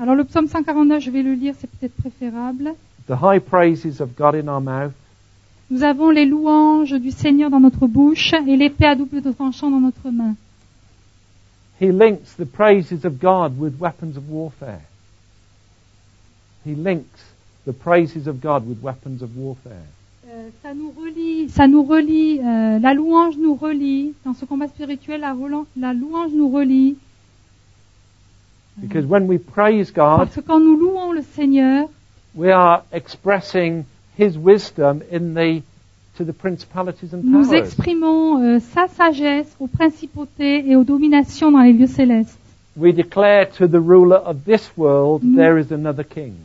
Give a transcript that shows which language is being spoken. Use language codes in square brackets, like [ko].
[fr] Alors le psaume 149, je vais le lire, c'est peut-être préférable. [en] The high praises of God in our mouth. [fr] Nous avons les louanges du Seigneur dans notre bouche et l'épée à double tranchant dans notre main. [en] He links the praises of God with weapons of warfare. He links the praises of God with weapons of warfare. [fr] La louange nous relie dans ce combat spirituel. La louange nous relie. [en] Because when we praise God, [fr] parce que quand nous louons le Seigneur, [en] we are expressing his wisdom in the to the principalities and powers. [fr] Nous exprimons sa sagesse aux principautés et aux dominations dans les lieux célestes. [en] We declare to the ruler of this world, there is another king.